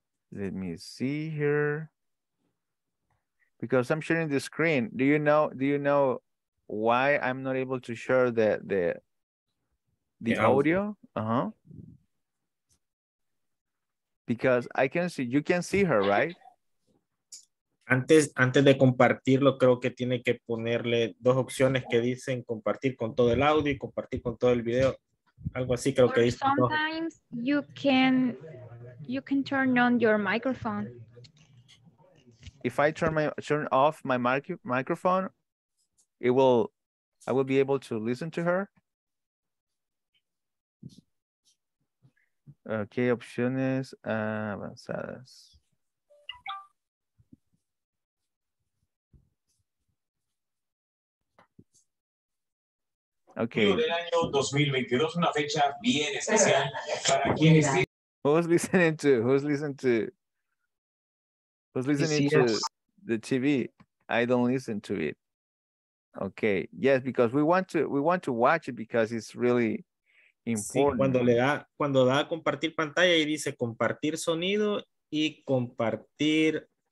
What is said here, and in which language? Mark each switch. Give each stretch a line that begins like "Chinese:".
English: Let me see here. Because I'm sharing the screen. Do you know why I'm not able to share the audio? Uh-huh. Because I can see, you can see her, right?
Spanish: Antes de compartirlo, creo que tiene que ponerle dos opciones que dicen compartir con todo el audio y compartir con todo el video. Algo así creo que dice.
English: Sometimes you can turn on your microphone. If I turn off my microphone, I will be able to listen to her.
Spanish: Okay, opciones avanzadas.
English: Okay. Who's listening to? Who's listening to the TV? I don't listen to it. Okay. Yes, because we want to watch it because it's really important.
Spanish: Sí, cuando da a compartir pantalla y dice compartir sonido y compartir.